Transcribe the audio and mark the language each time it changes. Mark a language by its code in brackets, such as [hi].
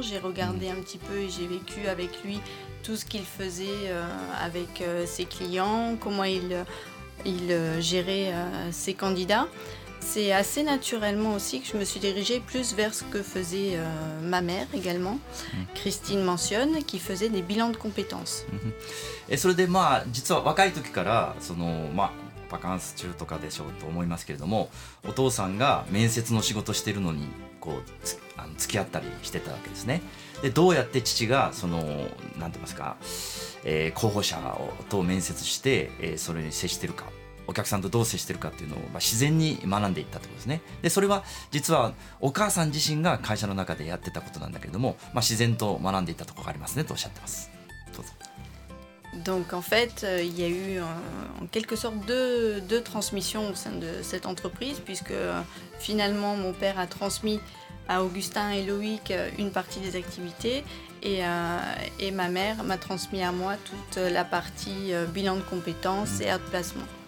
[fr] J'ai regardé un petit peu et j'ai vécu avec lui tout ce qu'il faisait avec ses clients, comment il gérait ses candidats. C'est assez naturellement aussi que je me suis dirigée plus vers ce que faisait ma mère également, Christine mentionne, qui faisait des bilans de compétences. [ja] Et それで、まあ、実は若い時からその、まあバカンス中とかでしょうと思いますけれども、お父さんが面接の仕事してるのにこう付き合ったりしてたわけですね。でどうやって父がそのなんて言いますか、候補者をと面接して、それに接してるか、お客さんとどう接してるかっていうのを、まあ、自然に学んでいったってことですね。でそれは実はお母さん自身が会社の中でやってたことなんだけれども、まあ、自然と学んでいったところがありますねとおっしゃってます。どうぞ。 [fr] Donc en fait, il y a eu en quelque sorte deux transmissions au sein de cette entreprise, puisque finalement mon père a transmis à Augustin et Loïc une partie des activités et ma mère m'a transmis à moi toute la partie bilan de compétences et outplacement.